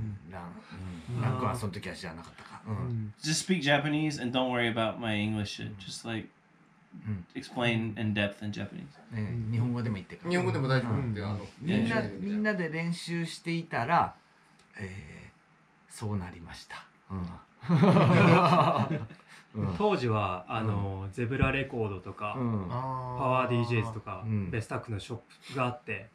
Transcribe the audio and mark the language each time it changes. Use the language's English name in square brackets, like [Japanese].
[Japanese] ランクはその時は知らなかったか。 [English] Just speak Japanese and don't worry about my English. Just like explain in depth in Japanese. [Japanese] 日本語でも言ってから。日本語でも大丈夫って。みんなで練習していたら、そうなりました。当時はあの、うん、ゼブラレコードとか、うん、パワー DJs とか、うん、ベスタックのショップがあって、